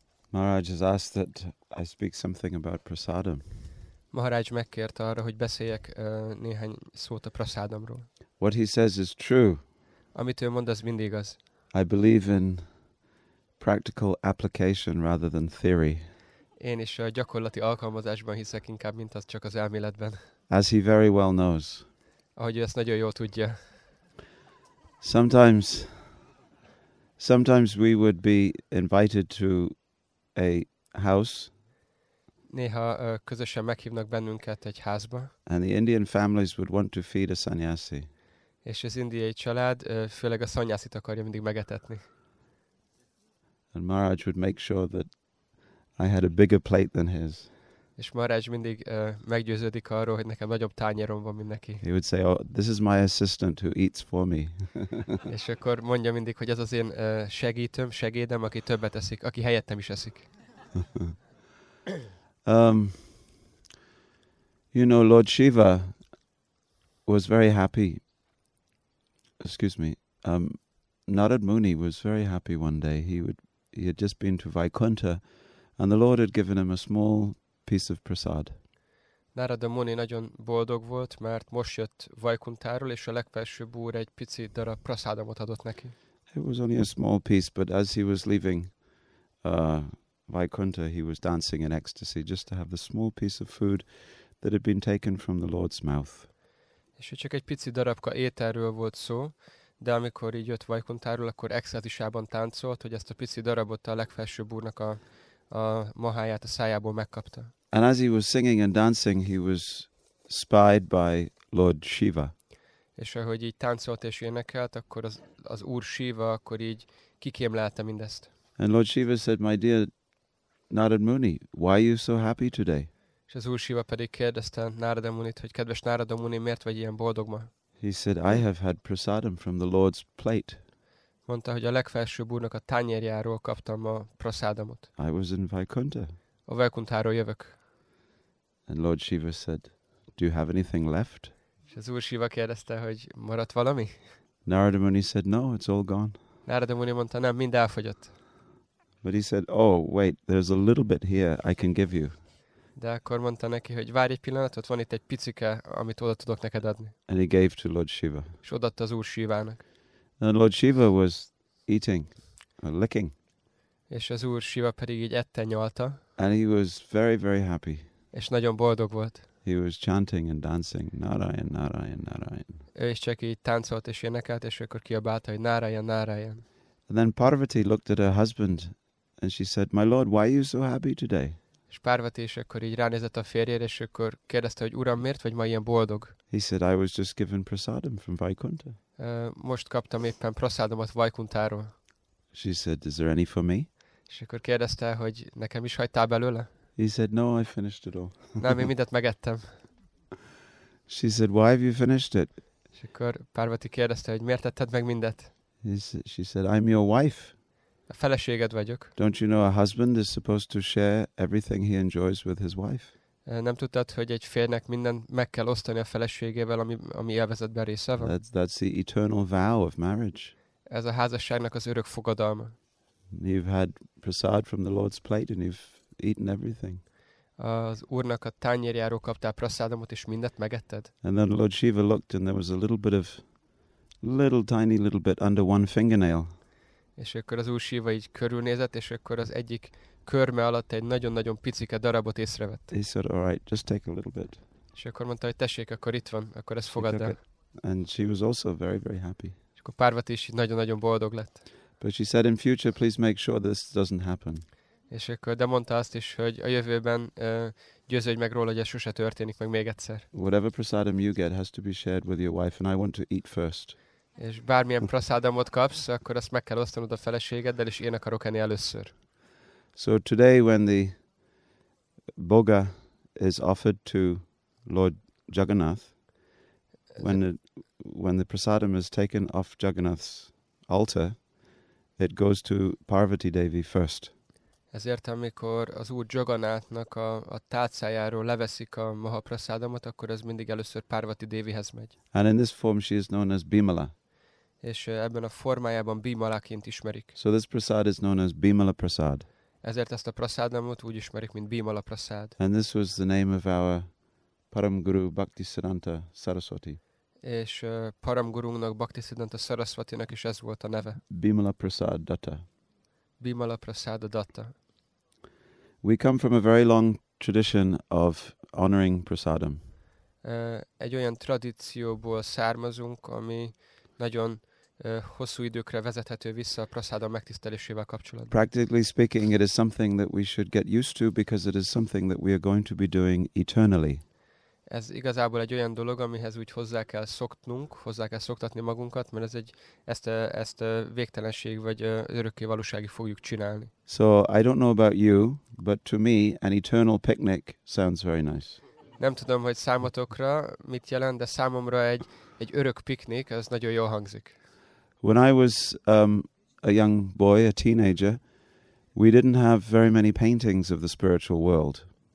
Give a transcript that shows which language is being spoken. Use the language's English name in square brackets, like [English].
[English] Maharaj has asked that I speak something about prasadam. [Hungarian] Maharaj megkért arra, hogy beszéljek néhány szót a prasadamról. [English] What he says is true. [Hungarian] Amit ő mond, az mind igaz. [English] I believe in practical application rather than theory. [Hungarian] Én is a gyakorlati alkalmazásban hiszek inkább, mint az csak az elméletben. [English] As he very well knows. [Hungarian] Ahogy ő ezt nagyon jól tudja. [English] Sometimes we would be invited to a house. [Hungarian] Néha közösen meghívnak bennünket egy házba. [English] And the Indian families would want to feed a sannyasi. [Hungarian] És az indiai család főleg a sannyasit akarja mindig megetetni. [English] And Maharaj would make sure that I had a bigger plate than his. [Hungarian] És Maharaj mindig meggyőződik arról, hogy nekem nagyobb tányérom van, mint neki. [English] He would say, oh, this is my assistant who eats for me. [Hungarian] És akkor mondja mindig, hogy ez az én segédem, aki többet eszik, aki helyettem is eszik. [English] You know, Lord Shiva was very happy. Excuse me. Narad Muni was very happy one day. He had just been to Vaikuntha, and the Lord had given him a small piece of prasad. [Hungarian] Narada Muni nagyon boldog volt, mert most jött Vaikuntáról, és a legfelsőbb úr egy pici darab prasadamot adott neki. [English] It was only a small piece, but as he was leaving Vaikuntha, he was dancing in ecstasy just to have the small piece of food that had been taken from the Lord's mouth. [Hungarian] És hogy csak egy pici darabka ételről volt szó, de amikor így jött Vaikuntáról, akkor extázisában táncolt, hogy ezt a pici darabot a legfelsőbb úrnak a maháját a szájából megkapta. [English] And as he was singing and dancing, he was spied by Lord Shiva. [Hungarian] És ahogy így táncolt és énekelt, akkor az úr Shiva akkor így kikémlelte mindezt. [English] And Lord Shiva said, my dear Narad Muni, why are you so happy today? [Hungarian] És az úr Shiva pedig kérdezte Narada Munit, hogy kedves Narada Muni, miért vagy ilyen boldog ma? [English] He said, I have had prasadam from the Lord's plate. [Hungarian] Mondta, hogy a legfelsőbb úrnak a tányérjáról kaptam a prasadamot. [English] I was in Vaikuntha. [Hungarian] A Vaikuntháról jövök. [English] And Lord Shiva said, do you have anything left? [Hungarian] És az úr Shiva kérdezte, hogy maradt valami? [English] Narada Muni said, no, it's all gone. [Hungarian] Narada Muni mondta, nem, mind elfogyott. [English] But he said, oh, wait, there's a little bit here I can give you. [Hungarian] De akkor mondta neki, hogy várj egy pillanatot, van itt egy picike, amit oda tudok neked adni. [English] And he gave to Lord Shiva. [Hungarian] És odaadta az úr Shivának. [English] And Lord Shiva was eating, or licking. [Hungarian] És az úr Shiva pedig így ette nyolta. [English] And he was very, very happy. [Hungarian] És nagyon boldog volt. [English] He was chanting and dancing, Narayan, Narayan, Narayan. [Hungarian] Ő is csak így táncolt és énekelt, és akkor kiabálta, hogy Narayan, Narayan. [English] And then Parvati looked at her husband, and she said, my lord, why are you so happy today? [Hungarian] És Parvati is akkor így ránézett a férjére, és akkor kérdezte, hogy uram, miért vagy ma ilyen boldog? [English] He said, I was just given prasadam from Vaikuntha. [Hungarian] Most kaptam éppen prasadamot Vaikuntáról. [English] She said, is there any for me? [Hungarian] És akkor kérdezte, hogy nekem is hagytál belőle? [English] He said, no, I finished it all. [Hungarian] Nem, én mindent megettem. [English] She said, why have you finished it? [Hungarian] És akkor Parvati kérdezte, hogy miért tetted meg mindet? [English] She said, I'm your wife. [Hungarian] A feleséged vagyok. [English] Don't you know a husband is supposed to share everything he enjoys with his wife? [Hungarian] Nem tudtad, hogy egy férnek minden meg kell osztani a feleségével, ami élvezetben része van? [English] That's the eternal vow of marriage. [Hungarian] Ez a házasságnak az örök fogadalma. [English] You've had prasad from the Lord's plate and you've eaten everything. [Hungarian] Az úrnak a tányérjáról kaptál prasadamot és mindent megetted. [English] And then Lord Shiva looked and there was a little bit of little tiny little bit under one fingernail. [Hungarian] És akkor az úr Shiva így körülnézett, és akkor az egyik körme alatt egy nagyon-nagyon picike darabot észrevett. [English] He said, all right, just take a little bit. [Hungarian] És akkor mondta, hogy tessék, akkor itt van, akkor ezt fogadd el. [English] And she was also very, very happy. [Hungarian] És akkor Parvati is nagyon-nagyon boldog lett. [English] But she said, in future, please make sure this doesn't happen. [Hungarian] És akkor de mondta azt is, hogy a jövőben győződj meg róla, hogy ez sose történik meg még egyszer. [English] Whatever prasadam you get has to be shared with your wife, and I want to eat first. [Hungarian] És bármilyen prasadamot kapsz, akkor azt meg kell osztanod a feleségeddel, és én akarok enni először. [English] So today when the boga is offered to Lord Jagannath, when when the prasadam is taken off Jagannath's altar, it goes to Parvati Devi first. [Hungarian] Ezért amikor az Úr Jagannathnak a tálcájáról leveszik a Mahaprasadamot, akkor ez mindig először Parvati Devihez megy. [English] And in this form she is known as Bimala. [Hungarian] És ebben a formájában Bimalaként ismerik. [English] So this prasad is known as Bimala Prasad. [Hungarian] Ezért ezt a prasadamot úgy ismerik, mint Bimala Prasad. [English] And this was the name of our Param Guru Bhakti Siddhanta Saraswati. [Hungarian] És Param Gurunknak, Bhakti Siddhanta Saraswatinak is ez volt a neve. [English] Bimala Prasad Datta. [Hungarian] Bimala Prasad Datta. [English] We come from a very long tradition of honoring prasadam. [Hungarian] Egy olyan tradícióból származunk, ami nagyon hosszú időkre vezethető vissza a prasadam megtisztelésével kapcsolatban. [English] Practically speaking, it is something that we should get used to because it is something that we are going to be doing eternally. [Hungarian] Ez igazából egy olyan dolog, amihez úgy hozzá kell szoktnunk, hozzá kell szoktatni magunkat, mert ezt végtelenség vagy örökké valósági fogjuk csinálni. [English] So I don't know about you, but to me an eternal picnic sounds very nice. [Hungarian] Nem tudom, hogy számotokra mit jelent, de számomra egy örök piknik, ez nagyon jól hangzik. [English] When I was a young boy, a teenager, we didn't have very many paintings of the spiritual world.